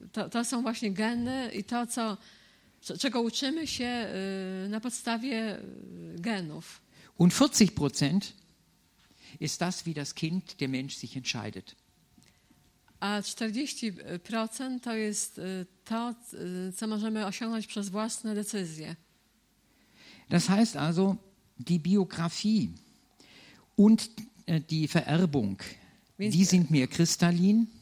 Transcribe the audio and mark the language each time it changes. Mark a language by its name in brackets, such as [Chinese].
[Polish] To są właśnie geny i to, czego uczymy się na podstawie genów. [German] Und 40% ist das, wie das Kind, der Mensch sich entscheidet. [Polish] A 40% to jest to, co możemy osiągnąć przez własne decyzje. [German] Das heißt also, die Biografie und die Vererbung, die sind mir kristallin.